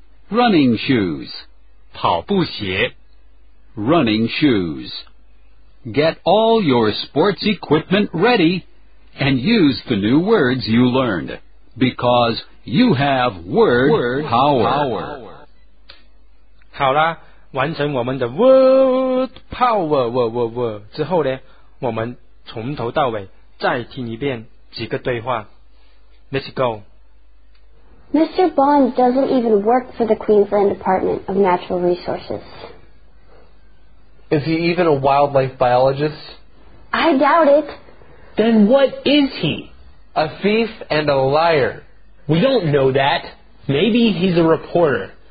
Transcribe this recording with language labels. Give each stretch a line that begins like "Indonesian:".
English: Running shoes.
Chinese: 跑步鞋
English: Running shoes. Get all your sports equipment ready and use the new words you learned, because you have word power. Power.
Chinese: 好啦，完成我们的 word power 之后呢，我们从头到尾再听一遍几个对话。
English: Let's go. Mr. Bond doesn't even work for the Queensland Department of Natural Resources. Is he even a wildlife biologist? I doubt it. Then what is he? A thief and a liar. We don't know that. Maybe he's a reporter.